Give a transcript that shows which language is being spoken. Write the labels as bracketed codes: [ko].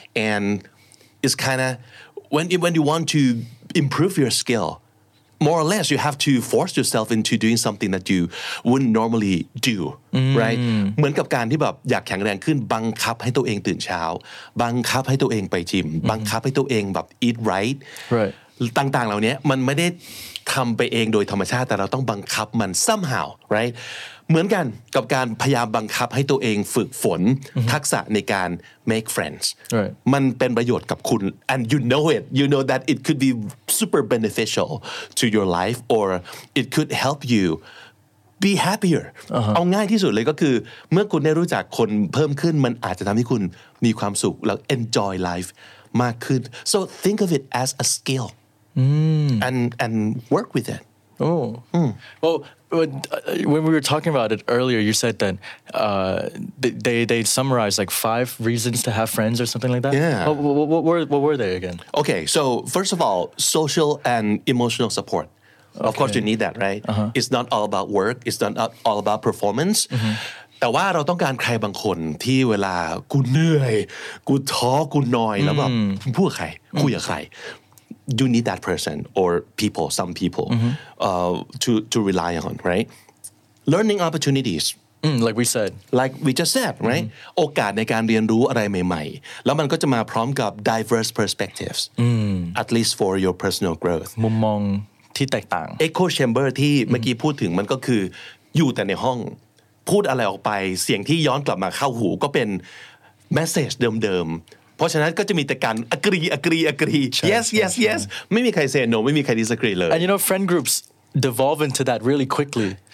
[en] And it's kind of, when you want to improve your skill, more or less, you have to force yourself into doing something that you wouldn't normally do, right? [th] เหมือนกับการที่แบบอยากแข็งแรงขึ้นบังคับให้ตัวเองตื่นเช้าบังคับให้ตัวเองไปจิมบังคับให้ตัวเองแบบ [en] eat right [th] ต่างๆเหล่านี้มันไม่ได้ทำไปเองโดยธรรมชาติแต่เราต้องบังคับมัน [en] somehow, right? [th] เหมือนกันกับการพยายามบังคับให้ตัวเองฝึกฝนทักษะในการ make friends มันเป็นประโยชน์กับคุณ [en] and you know it you know that it could be super beneficial to your life or it could help you be happier [th] เอาง่ายที่สุดเลยก็คือเมื่อคุณได้รู้จักคนเพิ่มขึ้นมันอาจจะทำให้คุณมีความสุขแล้ว enjoy life มากขึ้น [en] so think of it as a skill and work with it When we were talking about it earlier, you said that they summarized like 5 reasons to have friends or something like that. Yeah. What were they again? Okay, so first of all, social and emotional support. Okay. Of course, you need that, right? Uh-huh. It's not all about work. It's not all about performance. Mm-hmm. [th] แต่ว่าเราต้องการใครบางคนที่เวลากูเหนื่อยกูท้อกูนอยแล้วแบบพูดใครคุยกับใคร [en] you need that person or people some people to rely on right learning opportunities like we said [th] right โอกาสในการเรียนรู้อะไรใหม่ๆแล้วมันก็จะมาพร้อมกับ diverse perspectives [en] at least for your personal growth [th] มุมมองที่แตกต่าง echo chamber ที่เมื่อกี้พูดถึงมันก็คืออยู่แต่ในห้องพูดอะไรออกไปเสียงที่ย้อนกลับมาเข้าหูก็เป็น message เดิมๆเพราะฉะนั้นก็จะมีแต่การ agree yes ไม่มีใคร say no ไม่มีใคร disagree เลย [en] and you know friend groups devolve into that really quickly